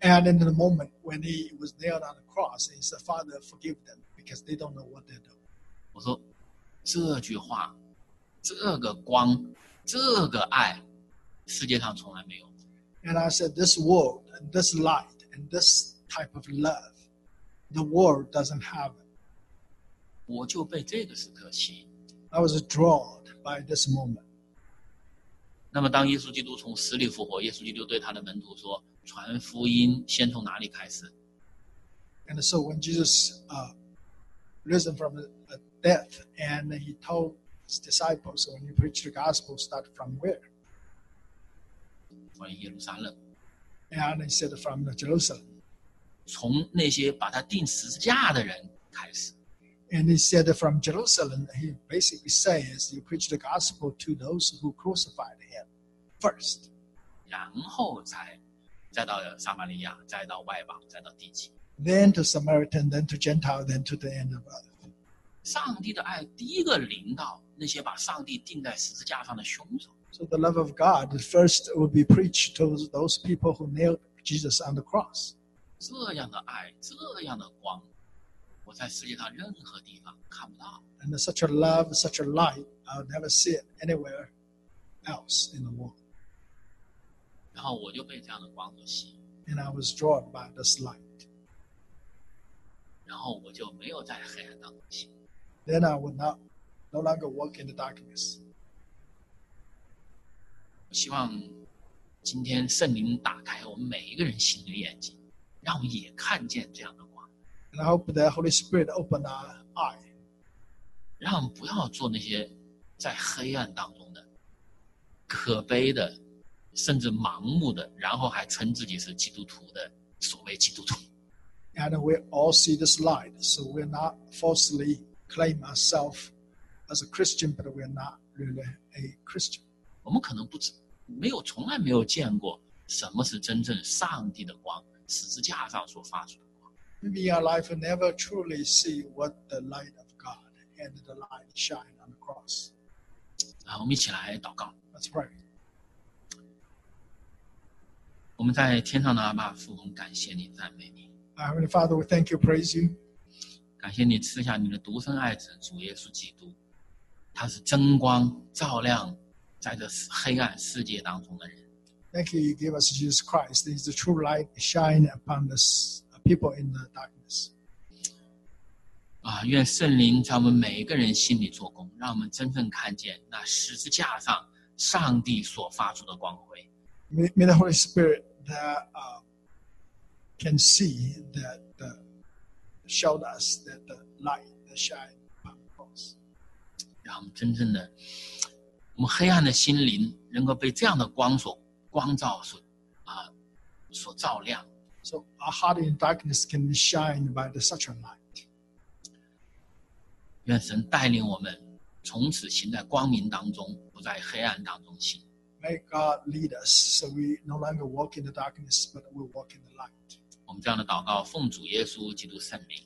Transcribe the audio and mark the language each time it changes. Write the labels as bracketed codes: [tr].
[en] And in the moment when he was nailed on the cross, he said, "Father, forgive them, because they don't know what they do." [zh] 我说，这句话，这个光，这个爱。世界上从来没有。 [en] And I said, this world, this light, and this type of love, the world doesn't have it. [zh] 我就被这个时刻吸引。 [en] I was drawn by this moment. [zh] 那么当耶稣基督从死里复活，耶稣基督对他的门徒说，传福音先从哪里开始？ [en] And so when Jesus risen from the death, and he told his disciples, when you preach the gospel, start from where? [zh] 关于耶路撒冷 [en] ，and he said from the Jerusalem， [zh] 从那些把他钉十字架的人开始 [en] ，and he said from Jerusalem， he basically says you preach the gospel to those who crucified him first， [zh] 然后再到撒玛利亚，再到外邦，再到地极 [en] ，then to Samaritan， then to Gentile， then to the end of earth。 [zh] 上帝的爱第一个临到那些把上帝钉在十字架上的凶手。 [en] So the love of God first will be preached to those people who nailed Jesus on the cross. [zh] 这样的爱，这样的光，我在世界上任何地方看不到。 [en] And such a love, such a light, I'll never see it anywhere else in the world. [zh] 然后我就被这样的光所吸引。 [en] And I was drawn by this light. [zh] 然后我就没有在黑暗当中行。 [en] Then I would not, no longer walk in the darkness. [zh] 希望今天圣灵打开我们每一个人心里的眼睛，让我们也看见这样的光。 [en] And I hope the Holy Spirit open our eye. [zh] 让我们不要做那些在黑暗当中的可悲的甚至盲目的然后还称自己是基督徒的所谓基督徒。 [en] And we all see this light, so we're not falsely claim ourselves as a Christian, but we're not really a Christian. [zh] 我们可能不知，没有，从来没有见过什么是真正上帝的光，十字架上所发出的光。 [en] Maybe our life will never truly see what the light of God and the light shine on the cross. [zh] 来，我们一起来祷告。 [en] Let's pray. [zh] 我们在天上的阿爸父，我们感谢你，赞美你。 [en] Our Heavenly Father, we thank you, praise you. [zh] 感谢你赐下你的独生爱子主耶稣基督，他是真光，照亮。在这黑暗世界当中的人 [en] Thank you, you gave us Jesus Christ. This is the true light shine upon this people in the darkness. [zh] 啊，愿圣灵在我们每一个人心里做工，让我们真正看见那十字架上上帝所发出的光辉。 [en] May the Holy Spirit that can see that showed us that the light that shine upon the cross. [zh] 让我们真正的。我们黑暗的心灵能够被这样的光所光照所照亮。 [en] So our heart in darkness can be shined by such a light. [zh] 愿神带领我们从此行在光明当中，不在黑暗当中行。 [en] May God lead us so we no longer walk in the darkness, but we walk in the light. [zh] 我们这样的祷告，奉主耶稣基督圣名。